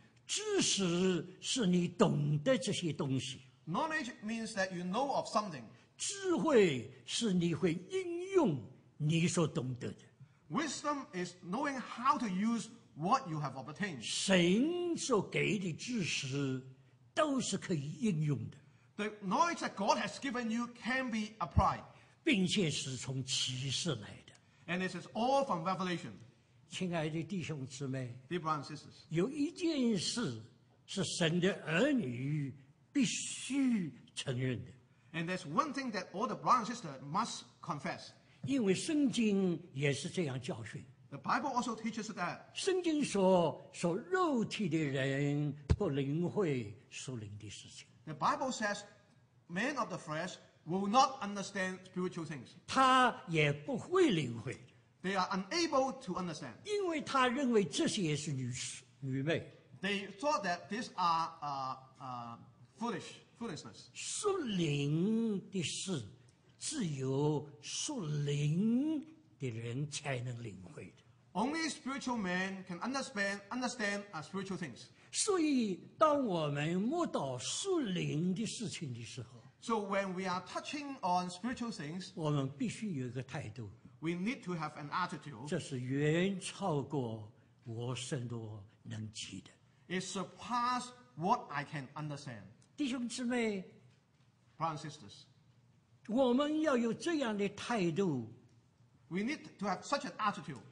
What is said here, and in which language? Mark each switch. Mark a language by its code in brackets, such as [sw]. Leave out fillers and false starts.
[zh] 知识是你懂得这些东西。 [en] Knowledge means that you know of something. [zh] 智慧是你会应用你所懂得的。 [en] Wisdom is knowing how to use what you have obtained. [zh] 神所给的知识都是可以应用的。 [en] The knowledge that God has given you can be applied. [zh] 并且是从启示来的。 [en] And this is all from Revelation. [zh] 亲爱的弟兄姊妹。 [en] Dear brothers and sisters. [zh] 有一件事是神的儿女必须承认的。 [en] And there's one thing that all the brothers and sisters must confess. [zh] 因为圣经也是这样教训。 [en] The Bible also teaches that. [zh] 圣经说，说肉体的人不领会属灵的事情。 [en] The Bible says, men of the flesh will not understand spiritual things. [zh] 他也不会领会。 [en] They are unable to understand. [zh] 因为他认为这些是愚昧。 [en] They thought that these are foolishness. [zh] 属灵的事，只有属灵的人才能领会的。 [en] Only spiritual men can understand spiritual things. [zh] 所以当我们摸到属灵的事情的时候， [en] So when we are touching on spiritual things, [zh] 我们必须有一个态度。 [en] We need to have an attitude. [zh] 这是远超过我甚多能及的。 [en] It surpasses what I can understand. [zh] 弟兄姊妹， [en] Brothers and sisters, [zh] 我们要有这样的态度。 [en] We need to have such an attitude.